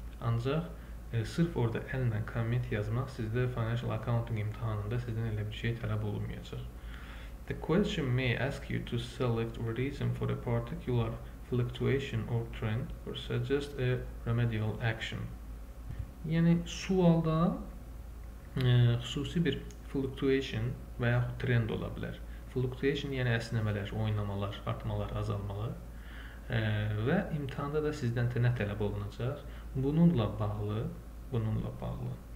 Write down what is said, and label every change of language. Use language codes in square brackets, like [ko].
[az] Ancaq, sırf orada əllə comment yazmaq sizdə financial accounting imtihanında sizdən elə bir şey tələb olunmayacaq. [en] The question may ask you to select a reason for a particular fluctuation or trend or suggest a remedial action. [az] Yəni sualda xüsusi bir fluctuation və yaxud trend ola bilər. Fluctuation yəni əsnəmələr, oynamalar, artmalar, azalmalar. Və imtahanda da sizdən nə tələb olunacaq? Bununla bağlı.